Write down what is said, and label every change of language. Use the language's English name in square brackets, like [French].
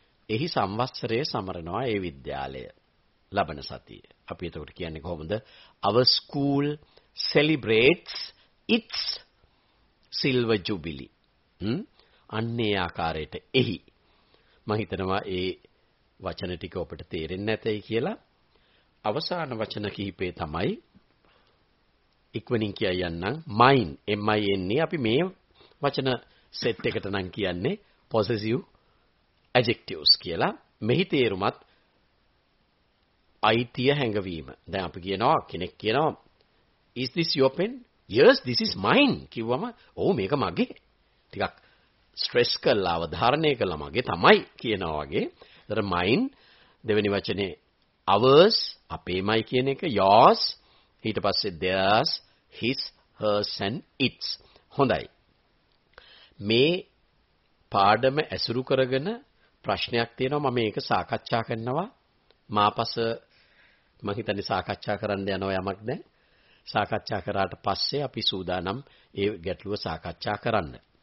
[Sinhala] එහි සම්වස්තරයේ සමරනවා ඒ විද්‍යාලය ලබන සතිය. අපි එතකොට කියන්නේ කොහොමද? [English] our school celebrates its silver jubilee. [Sinhala] අන්නේ ආකාරයට එහි. මම හිතනවා ඒ වචන ටික ඔබට තේරෙන්නේ නැතයි කියලා. අවසාන වචන කිහිපේ තමයි ඉක්වෙනින් කියයන්නම් mine, mine. අපි මේ වචන සෙට් එකට නම් කියන්නේ possessive adjectives කියලා. මෙහි තේරුමත් අයිතිය හැඟවීම. දැන් අපි කියනවා කෙනෙක් කියනවා [English] is this your pen? yes this is mine [Sinhala] කිව්වම ඔව් මේක මගේ. ටිකක් ස්ට්‍රෙස් කරලා අවධාරණය කළා මගේ තමයි කියනවා වගේ. ඒතර mine දෙවෙනි වචනේ ours අපේමයි කියන එක, yours. ඊට පස්සේ theirs, his, hers and its. හොඳයි. මේ පාඩම ඇසුරු කරගෙන ප්‍රශ්නයක් තියෙනවා. මම මේක සාකච්ඡා කරනවා මාපස, මම හිතන්නේ සාකච්ඡා කරන්න යනවා යමක් දැන්. සාකච්ඡා කරාට පස්සේ අපි සූදානම් ඒ ගැටලුව සාකච්ඡා කරන්න.